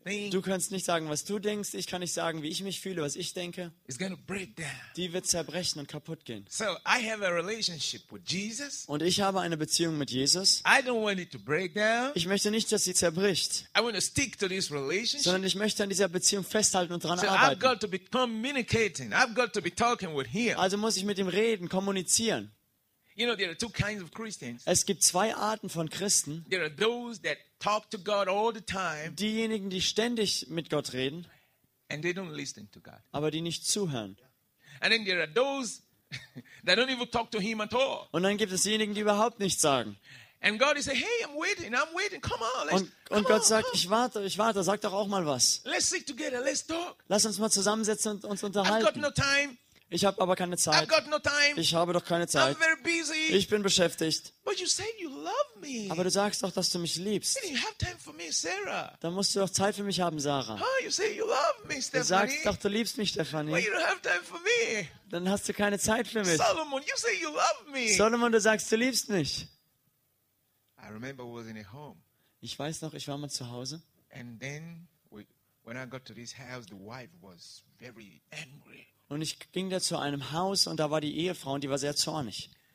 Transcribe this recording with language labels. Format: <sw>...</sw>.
<de>Du kannst nicht sagen, was du denkst, ich kann nicht sagen, wie ich mich fühle, was ich denke.</de> <en>It's gonna break down.</en> <de>Die wird zerbrechen und kaputt gehen.</de> <en>So I have a relationship with Jesus.</en> <de>Und ich habe eine Beziehung mit Jesus.</de> <en>I don't want it to break down.</en> <de>Ich möchte nicht, dass sie zerbricht.</de> <en>I want to stick to this relationship.</en> <de>Sondern ich möchte an dieser Beziehung festhalten und dran arbeiten.</de> <en>So I've got to be communicating. I've got to be talking with him.</en> <de>Also muss ich mit ihm reden, kommunizieren.</de> <en>You know, there are two kinds of Christians.</en> <de>Es gibt zwei Arten von Christen.</de> <en>There are those that talk to God all the time.</en> <de>Diejenigen, die ständig mit Gott reden.</de> <en>And they don't listen to God.</en> <de>Aber die nicht zuhören.</de> <en>And then there are those that don't even talk to him at all.</en> <de>Und dann gibt es diejenigen, die überhaupt nichts sagen.</de> <en>And God is saying, hey, I'm waiting. Come on, let's.</en> <de>Und Gott sagt, ich warte, sag doch auch mal was.</de> <en>Let's sit together, let's talk.</en> <de>Lass uns mal zusammensetzen und uns unterhalten.</de> <en>I've got no time.</en> <de>Ich habe aber keine Zeit.</de> <en>I've got no time.</en> <de>Ich habe doch keine Zeit.</de> <en>I'm very busy.</en> <de>Ich bin beschäftigt.</de> <en>But you say you love me.</en> <de>Aber du sagst doch, dass du mich liebst.</de> <en>You have time for me, Sarah.</en> <de>Dann musst du doch Zeit für mich haben, Sarah.</de> <en>Oh, you say you love me, Stephanie.</en> <de>Du sagst doch, du liebst mich, Stephanie.</de> <en>Well, you don't have time for me.</en> <de>Dann hast du keine Zeit für mich.</de> <en>Solomon, you say you love me.</en> <de>Solomon, du sagst, du liebst mich.</de> <en>I remember I was in a home.</en> <de>Ich weiß noch, ich war mal zu Hause.</de> <en>And then when I got to this house, the wife was very angry.</en> <de>Und ich ging da zu einem Haus und da war die Ehefrau und die war sehr zornig.</de>